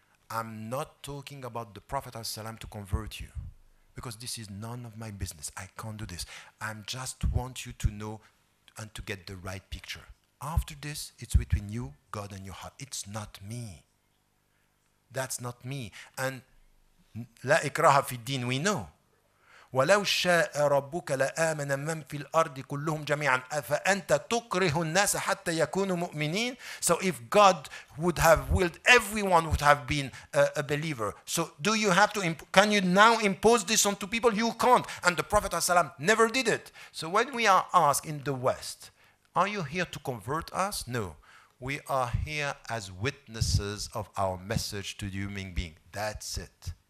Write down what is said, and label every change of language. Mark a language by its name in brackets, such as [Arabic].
[English] I'm not talking about the Prophet ﷺ to convert you. Because this is none of my business. I can't do this. I just want you to know and to get the right picture. After this, it's between you, God, and your heart. It's not me. That's not me. And [Arabic] La ikraha fi din, [English] we know. [Arabic] ولو شاء ربك لآمن من في الأرض كلهم جميعا أفأنت تكره الناس حتى يكونوا مؤمنين. [English] So if God would have willed, everyone would have been a believer. So do you have to can you now impose this onto people? You can't. And the Prophet ﷺ never did it. So when we are asked in the West, are you here to convert us? No. We are here as witnesses of our message to the human being. That's it.